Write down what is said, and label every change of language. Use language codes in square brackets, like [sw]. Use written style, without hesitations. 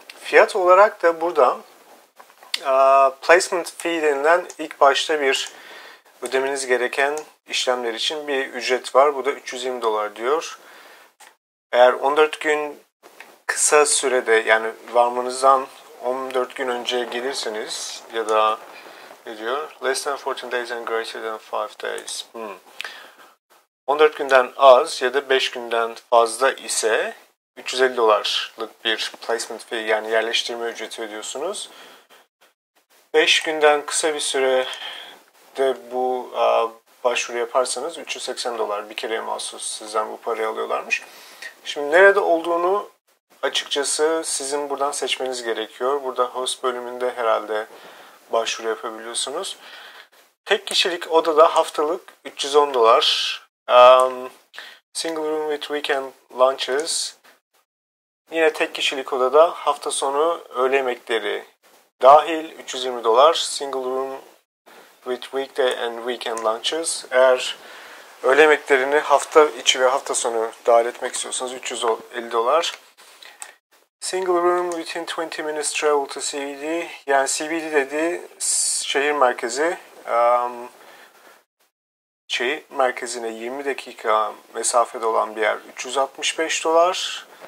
[tr] Fiyat olarak da burada placement fee denilen ilk başta bir ödemeniz gereken işlemler için bir ücret var. Bu da $320 diyor. Eğer 14 gün kısa sürede yani varmanızdan 14 gün önce gelirseniz ya da ne diyor? [en] Less than 14 days and greater than 5 days. [tr] 14 günden az ya da 5 günden fazla ise $350'lık bir placement fee yani yerleştirme ücreti ödüyorsunuz. 5 günden kısa bir sürede bu başvuru yaparsanız $380 bir kereye mahsus sizden bu parayı alıyorlarmış. Şimdi nerede olduğunu açıkçası sizin buradan seçmeniz gerekiyor. Burada host bölümünde herhalde başvuru yapabiliyorsunuz. Tek kişilik odada haftalık $310. [en] Single room with weekend lunches. [tr] Yine tek kişilik odada hafta sonu öğle yemekleri dahil $320. [en] Single room with weekday and weekend lunches. [tr] Eğer öğle yemeklerini hafta içi ve hafta sonu dahil etmek istiyorsanız $350. [en] Single room within 20 minutes travel to CBD. [tr] Yani CBD dediği şehir merkezi. Şehir merkezine 20 dakika mesafede olan bir yer $365.